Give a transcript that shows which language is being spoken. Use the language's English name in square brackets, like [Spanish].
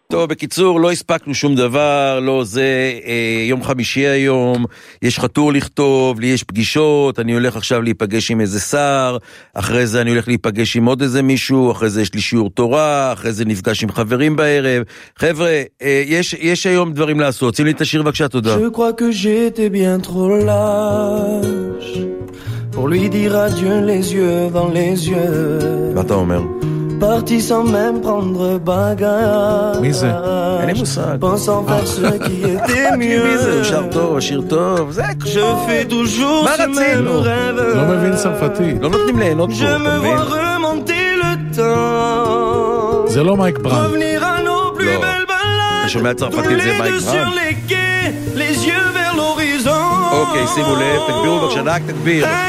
[Hebrew] טוב, בקיצור, לא הספקנו שום דבר, לא זה יום חמישי היום, יש חתור לכתוב, לי יש פגישות, אני הולך עכשיו להיפגש עם איזה שר, אחרי זה אני הולך להיפגש עם עוד איזה מישהו, אחרי זה יש לי שיעור תורה, אחרי זה נפגש עם חברים בערב. חבר'ה, יש היום דברים לעשות, רוצים לי את השיר, בבקשה, תודה. [French] Je crois que j'étais bien trop lâche pour lui dire adieu les yeux dans les yeux. [Hebrew] מה אתה אומר? [French] Parti sans même prendre bagage. [Hebrew] מי זה? אין לי מושג. [French] Pensant faire ce qui était mieux. [Hebrew] מי זה? הוא שר טוב, שיר טוב. זה כמו... [French] Je fais toujours ce même rêve. [Hebrew] לא מבין שפתי. לא נותנים ליהנות בו, אתה מבין? [French] Je me vois remonter le temps. [Hebrew] זה לא מייק ברנד. [French] Revenir à nos plus belles balades. [Hebrew] אתה שומע צרפתית, זה מייק ברנד. [French] Sur les quais, les yeux vers l'horizon. [Hebrew] אוקיי, שימו לב, תגבירו בבקשה, רק תגביר.